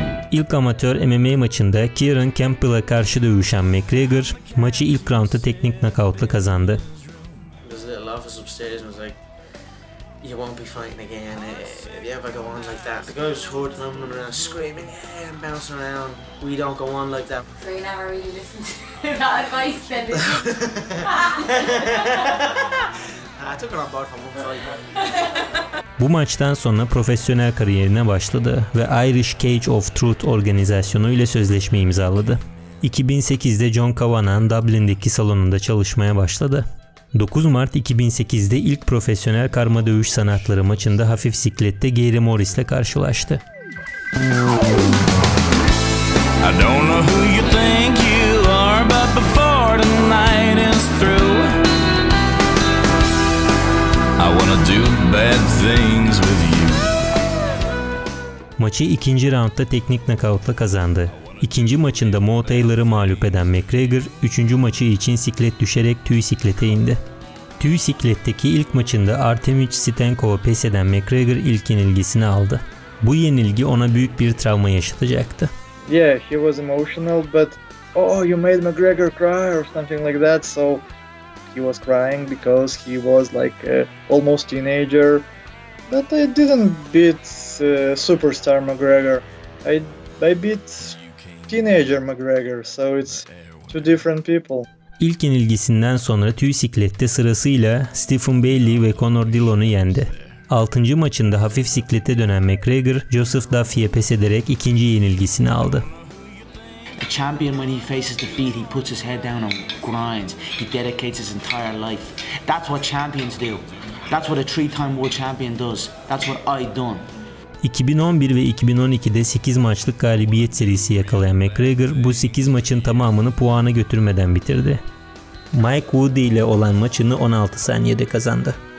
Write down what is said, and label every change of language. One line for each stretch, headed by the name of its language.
Turkish: İlk amatör MMA maçında Kieran Campbell'a karşı dövüşen McGregor maçı ilk roundda teknik nakavtla kazandı.
English: office upstairs and was like, you won't be fighting again if you ever go on like that. The guy was hurt and running around screaming, yeah, and bouncing around. We don't go on like that. So you never really listened to that advice then, did you? I took it on board for one fight.
Turkish: Bu maçtan sonra profesyonel kariyerine başladı ve Irish Cage of Truth organizasyonu ile sözleşme imzaladı. 2008'de John Kavanagh'ın Dublin'deki salonunda çalışmaya başladı. 9 Mart 2008'de ilk profesyonel karma dövüş sanatları maçında hafif siklette Gary Morris ile karşılaştı.
English: I don't know who you think you are, but before the night is through, I wanna do bad things with you.
Turkish: Maçı ikinci roundda teknik nokautla kazandı. İkinci maçında Mo Taylor'ı mağlup eden McGregor, üçüncü maçı için siklet düşerek tüy siklete indi. Tüy sikletteki ilk maçında Artemich Stenkova pes eden McGregor ilk yenilgisini aldı. Bu yenilgi ona büyük bir travma yaşatacaktı.
English: Yeah, he was emotional, but oh, you made McGregor cry or something like that, so he was crying because he was like almost teenager, but I didn't beat superstar McGregor. I beat teenager McGregor, so it's two different people.
Turkish: İlk yenilgisinden sonra tüy siklette sırasıyla Stephen Bailey ve Conor Dillon'u yendi. 6. maçında hafif siklete dönen McGregor, Joseph Duffy'ye pes ederek ikinci yenilgisini aldı.
English: A champion, when he faces defeat, he puts his head down and grinds. He dedicates his entire life. That's what champions do. That's what a three-time world champion does. That's what I done.
Turkish: 2011 ve 2012'de 8 maçlık galibiyet serisi yakalayan McGregor, bu 8 maçın tamamını puana götürmeden bitirdi. Mike Woodley ile olan maçını 16 saniyede kazandı.